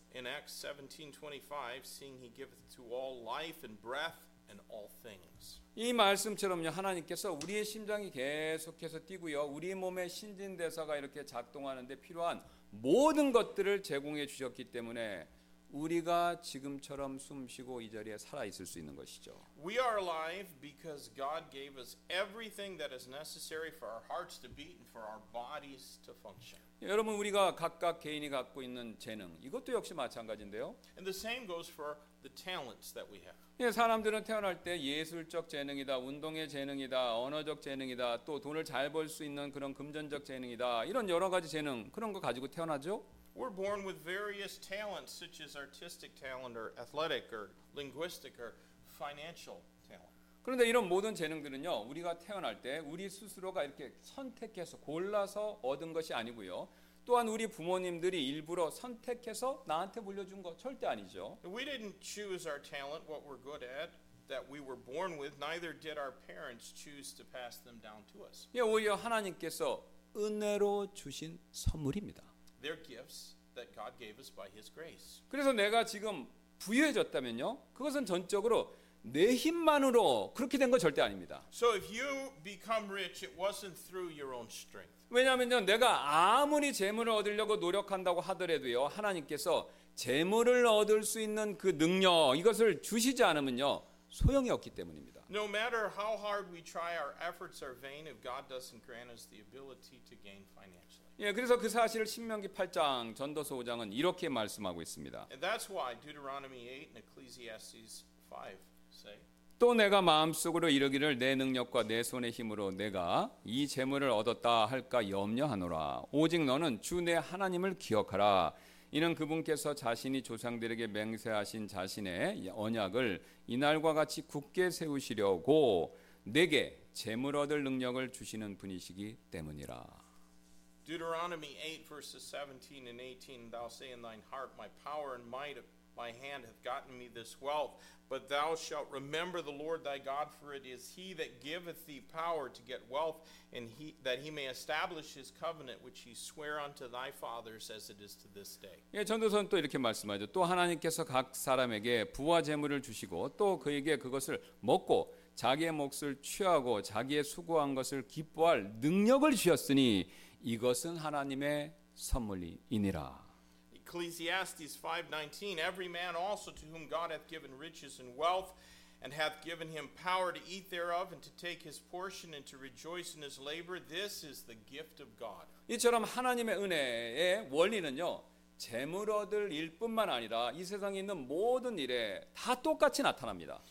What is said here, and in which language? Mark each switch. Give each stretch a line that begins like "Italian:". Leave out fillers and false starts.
English: In Acts 17:25, seeing he giveth to all life and breath and all things.
Korean: 이 말씀처럼요 하나님께서 우리의 심장이 계속해서 뛰고요 우리 몸의 신진대사가 이렇게 작동하는데 필요한 모든 것들을 제공해 주셨기 때문에 우리가 지금처럼 숨쉬고 이 자리에 살아 있을 수 있는 것이죠.
English: We are alive because God gave us everything that is necessary for our hearts to beat and for our bodies to function.
Korean: 여러분 우리가 각각 개인이 갖고 있는 재능 이것도 역시 마찬가지인데요.
English: And the same goes for the talents that we have.
Korean: 예, 사람들은 태어날 때 예술적 재능이다, 운동의 재능이다, 언어적 재능이다, 또 돈을 잘 벌 수 있는 그런 금전적 재능이다. 이런 여러 가지 재능 그런 거 가지고 태어나죠.
English: We're born with various talents such as artistic talent or athletic or linguistic or financial talent.
Korean: 그런데 이런 모든 재능들은요. 우리가 태어날 때 우리 스스로가 이렇게 선택해서 골라서 얻은 것이 아니고요. 또한 우리 부모님들이 일부러 선택해서 나한테 물려준 거 절대 아니죠.
English: We didn't choose our talent what we're good at. That we were born with, neither did our parents choose to pass them down to us.
Korean: 예, 오히려 하나님께서 은혜로 주신 선물입니다.
English: They're gifts that God gave us by His grace.
Korean: 그래서 내가 지금 부유해졌다면요, 그것은 전적으로 내 힘만으로 그렇게 된 거 절대 아닙니다.
English: So if you become rich, it wasn't through your own strength.
Korean: 왜냐하면요, 내가 아무리 재물을 얻으려고 노력한다고 하더라도요, 하나님께서 재물을 얻을 수 있는 그 능력 이것을 주시지 않으면요. 소용이 없기 때문입니다.
English: No matter how hard we try, our efforts are vain if God doesn't grant us the ability to gain financially.
Korean: 예, 그래서 그 사실을 신명기 8장, 전도서 5장은 이렇게 말씀하고 있습니다.
English: And that's why Deuteronomy 8 and Ecclesiastes 5 say,
Korean: 또 내가 마음속으로 이르기를 내 능력과 내 손의 힘으로 내가 이 재물을 얻었다 할까 염려하노라. 오직 너는 주 내 하나님을 기억하라. 이는 그분께서 자신이 조상들에게 맹세하신 자신의 언약을 이날과 같이 굳게 세우시려고 내게 재물 얻을 능력을 주시는 분이시기 때문이라.
English: Deuteronomy 8 verses 17 and 18 Thou say in thine heart, My power and might of my hand hath gotten me this wealth. But thou shalt remember the Lord thy God, for it is he that giveth thee power to get wealth, and he, that he may establish his covenant, which he sware unto thy fathers as it is to this day.
Korean: 예, 전도서는 또 이렇게 말씀하죠. 또 하나님께서 각 사람에게 부와 재물을 주시고 또 그에게 그것을 먹고 자기의 몫을 취하고 자기의 수고한 것을 기뻐할 능력을 주셨으니 이것은 하나님의 선물이니라.
English: Ecclesiastes 5:19 Every man also to whom God hath given riches and wealth and hath given him power to eat thereof and to take his portion and to rejoice in his labor this is the gift of God.
Korean: 이처럼 하나님의 은혜의 원리는요. 재물 얻을 일뿐만 아니라 이 세상에 있는 모든 일에 다 똑같이 나타납니다.